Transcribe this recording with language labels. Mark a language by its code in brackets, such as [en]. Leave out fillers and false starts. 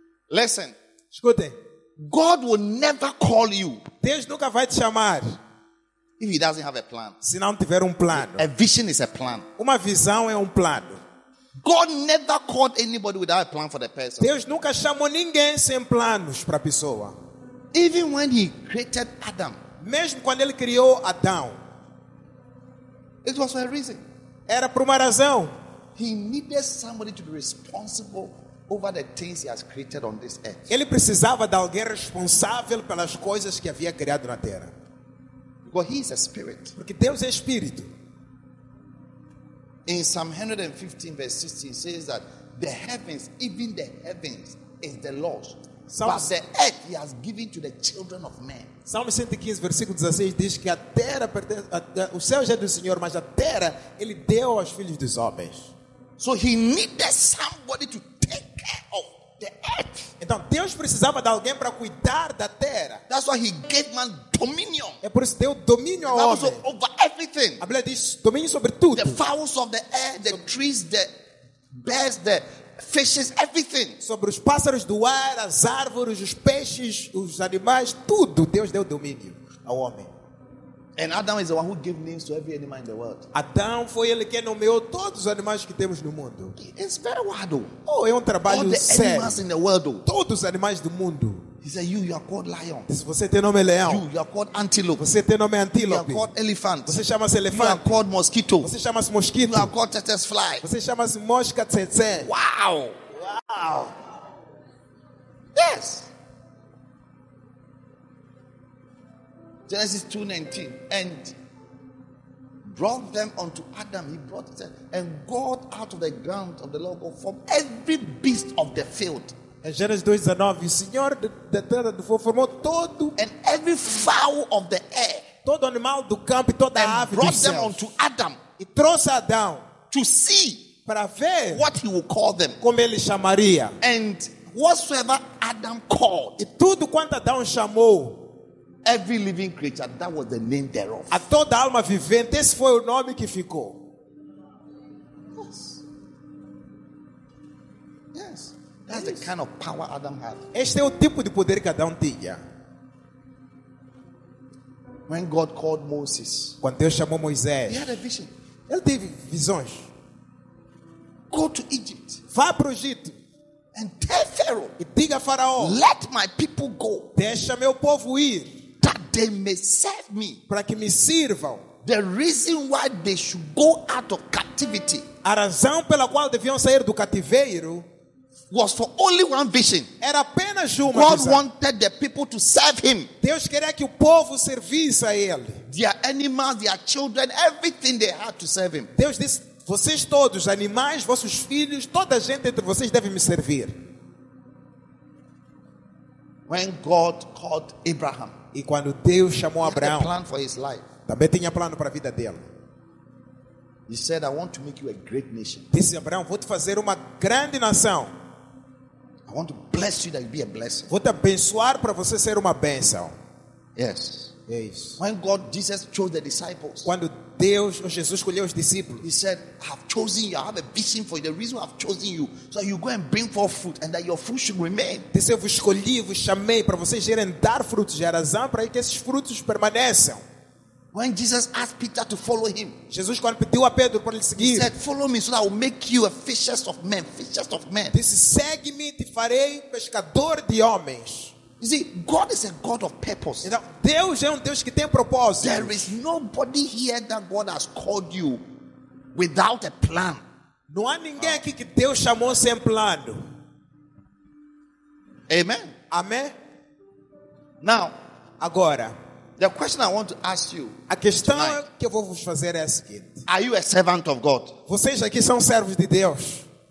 [en] Listen. [pt] Escute. [en] God will never call you. [pt] Deus nunca vai te chamar. [en] If he doesn't have a plan. [pt] Se não tiver plano. [en] A vision is a plan. [pt] Uma visão é plano. [en] God never called anybody without a plan for the person. [pt] Deus nunca chamou ninguém sem planos para a pessoa. [en] Even when he created Adam. [pt] Mesmo quando ele criou Adão. [en] It was for a reason. [pt] Era por uma razão. [en] He needed somebody to be responsible over the things he has created on this earth. [pt] Ele precisava de alguém responsável pelas coisas que havia criado na terra. [en] Because he is a spirit. [pt] Porque Deus é espírito. [en] In Psalm 115 verse 16 says that the heavens, even the heavens, is the Lord's. But the earth he has given to the children of men. [pt] Salmo 115 versículo 16 diz que a terra pertence, o céu já é do Senhor, mas a terra ele deu aos filhos dos homens. [en] So he needed somebody to take care of the earth. [pt] Então Deus precisava de alguém para cuidar da terra. [en] That's why he gave man dominion. [pt] É por isso que deu dominio ao homem. [en] Over everything. [pt] A Bíblia diz domínio sobre tudo. [en] The fowls of the air, the trees, the birds, the fishes, everything. [pt] Sobre os pássaros do ar, as árvores, os peixes, os animais, tudo Deus deu domínio ao homem. [en] And Adam is the one who gave names to every animal in the world. [pt] Adão foi ele quem nomeou todos os animais que temos no mundo. [en] It's very hard. [pt] Oh, é trabalho sério. [en] All the animals in the world. [pt] Todos os animais do mundo. [en] He said, you are called lion. [pt] Você tem nome leão. [en] You are called antelope. [pt] Você tem nome antílope. [en] You are called elephant. [pt] Você chama-se elefante. [en] You are called mosquito. [pt] Você chama-se mosquito. [en] You are called tsetse fly. [pt] Você chama-se mosca tsetse. [en] Wow. [pt] Uau! [en] Yes! Genesis 2:19. And brought them unto Adam. He brought them. And God out of the ground of the Lord God formed every beast of the field. [pt] Em Gênesis 2:19, o Senhor da terra formou todo. [en] And every fowl of the air. [pt] Todo animal do campo e toda [en] and [pt] ave do céu. [en] Brought them unto Adam. [pt] E trouxe Adão. [en] To see. [pt] Para ver. [en] What he will call them. [pt] Como ele chamaria. [en] And whatsoever Adam called. [pt] E tudo quanto Adão chamou. [en] Every living creature, that was the name thereof. [pt] A toda alma vivente, esse foi o nome que ficou. [en] Yes. Yes. That's yes. The kind of power Adam had. [pt] Este é o tipo de poder que Adão tinha. [en] When God called Moses, [pt] quando Deus chamou Moisés, [en] he had a vision. [pt] Ele teve visões. [en] Go to Egypt. [pt] Vá para o Egito. [en] And tell Pharaoh, [pt] e diga a Faraó, [en] let my people go. [pt] Deixa meu povo ir. [en] That they may serve me. [pt] Para que me sirvam. [en] The reason why they should go out of captivity. [pt] A razão pela qual deviam sair do cativeiro. [en] Was for only one vision. [pt] Era apenas uma. [en] God wanted the people to serve him. [pt] Deus queria que o povo servisse a ele. [en] Their animals, their children, everything they had to serve him. [pt] Deus disse, vocês todos, animais, vossos filhos, toda a gente entre vocês deve me servir. [en] When God called Abraham. [pt] E quando Deus chamou Abraão, [en] plan for his life. [pt] Também tinha plano para a vida dele. [en] He said, I want to make you a great nation. [pt] Disse Abraão, vou te fazer uma grande nação. [en] I want to bless you that you be a blessing. [pt] Vou te abençoar para você ser uma bênção. [en] Yes. Yes. When God Jesus chose the disciples. [pt] Quando Deus ou Jesus escolheu os discípulos. [en] He said, I have chosen you. I have a vision for you. The reason I have chosen you so you go and bring forth fruit and that your fruit should remain. [pt] Disse, eu vos escolhi, vos chamei para vocês gerem dar frutos, gerar razão para que esses frutos permaneçam. [en] When Jesus asked Peter to follow him, [pt] Jesus quando pediu a Pedro para lhe seguir, [en] he said, "Follow me, so that I will make you a fishers of men, fishers of men." [pt] Disse, segue-me, te farei pescador de homens. [en] You see, God is a God of purpose. [pt] Então, Deus é Deus que tem propósito. [en] There is nobody here that God has called you without a plan. [pt] Não há ninguém aqui que Deus chamou sem plano. [en] Amen. [pt] Amém. [en] Now, [pt] agora. [en] The question I want to ask you. [pt] A questão [en] tonight, [pt] que eu vou vos fazer é a seguinte. [en] Are you a servant of God? [pt] Vocês aqui são servos de Deus?